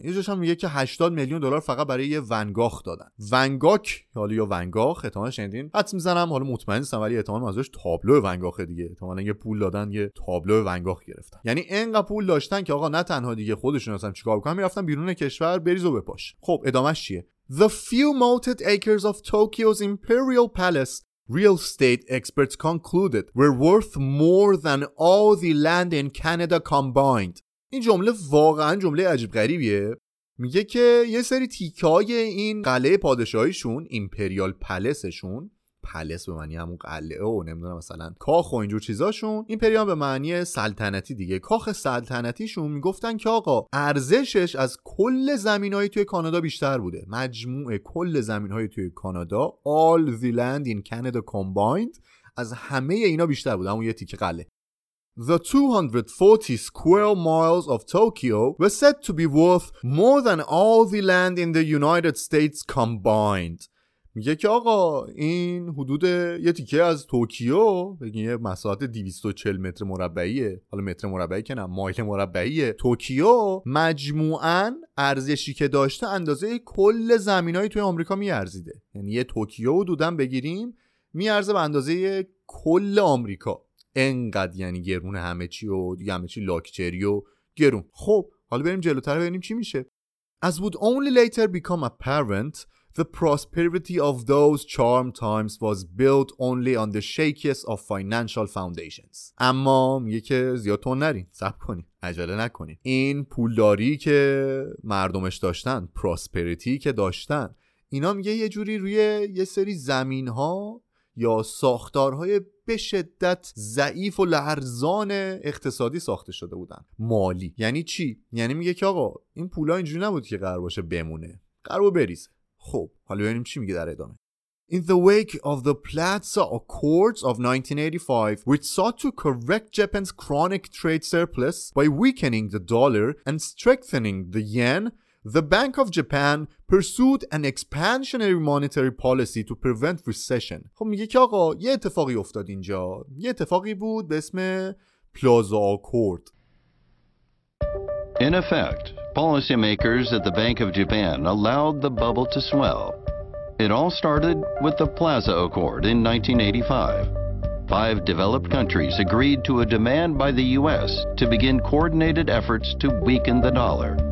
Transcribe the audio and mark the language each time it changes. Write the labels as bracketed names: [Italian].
[Persian] یه جاش هم میگه که 80 میلیون دلار فقط برای یه ونگاخ دادن. ونگاک، حالا یا ونگاخ، احتمال شنیدین. حدس میزنم، حالا مطمئن نیستم ولی احتمال ازش تابلو ونگاخ دیگه. احتمالا یه پول دادن یه تابلو ونگاخ گرفتن. یعنی اینقدر پول داشتن که آقا نه تنها دیگه خودشون اصلا چیکار بکنن، میرفتن بیرون کشور بریز و بپاش. خب ادامش چیه؟ [English] The few moated acres of Tokyo's Imperial Palace real estate experts concluded were worth more than all the land in Canada combined. [Persian] این جمله واقعا جمله عجیب غریبیه. میگه که یه سری تیکای این قلعه پادشاهیشون، ایمپریال پلسشون، پلس به معنی همون قلعه و نمیدونم مثلا کاخ و اینجور چیزاشون، ایمپریال به معنی سلطنتی دیگه، کاخ سلطنتیشون، میگفتن که آقا ارزشش از کل زمینای توی کانادا بیشتر بوده. مجموع کل زمینای توی کانادا، [English] all the land in Canada combined، [Persian] از همه اینا بیشتر بوده همون یه تیکه قلعه. [English] The 240 square miles of Tokyo were said to be worth more than all the land in the United States combined. [Persian] میگه که آقا این حدود یه تیکه از توکیو، بگیم یه مساحت 240 متر مربعیه، حالا متر مربعی که نه، مایل مربعیه توکیو، مجموعاً ارزشی که داشته اندازه کل زمینای توی آمریکا میارزیده. یعنی یه توکیو حدوداً بگیریم میارزه به اندازه کل آمریکا. انقدر یعنی گرون همه چی و همه چی لاکچری و گرون. خب حالا بریم جلوتر ببینیم چی میشه. [English] As would only later become apparent, the prosperity of those charm times was built only on the shakiest of financial foundations. [Persian] اما میگه که زیاد تون نرین، صبر کنین، عجله نکنین. این پولداری که مردمش داشتن، پراسپریتی که داشتن، اینا میگه یه جوری روی یه سری زمین‌ها یا ساختارهای به شدت ضعیف و لرزان اقتصادی ساخته شده بودن. مالی یعنی چی؟ یعنی میگه که آقا این پولا اینجوری نبود که قرار باشه بمونه، قرار بود بریزه. خب حالا ببینیم چی میگه در ادامه. [English] In the wake of the Platts Accords of 1985, which sought to correct Japan's chronic trade surplus by weakening the dollar and strengthening the yen, the Bank of Japan pursued an expansionary monetary policy to prevent recession. [Persian] خب میگه که آقا یه اتفاقی افتاد اینجا. یه اتفاقی بود به اسم پلازا آکورد. [English] In effect, policymakers at the Bank of Japan allowed the bubble to swell. It all started with the Plaza Accord in 1985. Five developed countries agreed to a demand by the U.S. to begin coordinated efforts to weaken the dollar.